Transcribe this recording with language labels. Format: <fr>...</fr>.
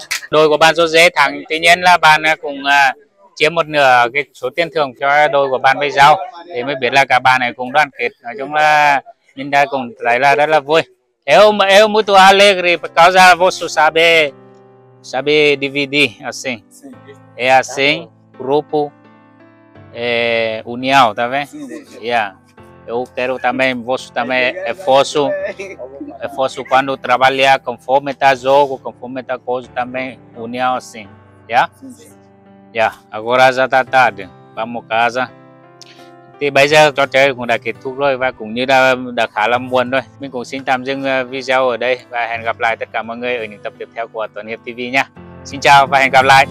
<vi>Đội của bạn José thắng, tuy nhiên là bạn cũng chiếm một nửa cái số tiền thưởng cho đội của bạn bây giờ. Thì mới biết là cả bạn này cũng đoàn kết, nói chung là mình đã cũng thấy là rất là vui.</vi> <pt>Eu muito alegre por causa de você saber dividir assim. É assim, grupo é união, tá vendo? Yeah. Eu quero também, você também é forço quando trabalhar conforme tá jogo, conforme tá coisa também, união assim. Yeah? Yeah. Agora já tá tarde, vamos casa.</pt> <vi>Thì bây giờ trò chơi cũng đã kết thúc rồi và cũng như đã khá là buồn rồi. Mình cũng xin tạm dừng video ở đây và hẹn gặp lại tất cả mọi người ở những tập tiếp theo của Tuấn Hiệp TV nha. Xin chào và hẹn gặp lại.</vi>